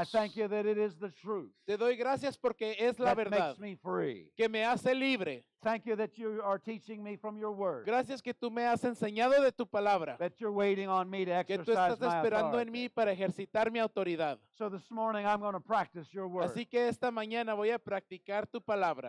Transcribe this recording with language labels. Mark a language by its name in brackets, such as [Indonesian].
[English] I thank you that it is the truth. [Spanish] Te doy gracias porque es la verdad. [English] That makes me free. [Spanish] Que me hace libre. [English] Thank you that you are teaching me from your word. [Spanish] Gracias que tú me has enseñado de tu palabra. [English] That you're waiting on me to exercise my [Spanish] Que tú estás esperando en mí para ejercitar mi autoridad. [English] So this morning I'm going to practice your word. [Spanish] Así que esta mañana voy a practicar tu palabra.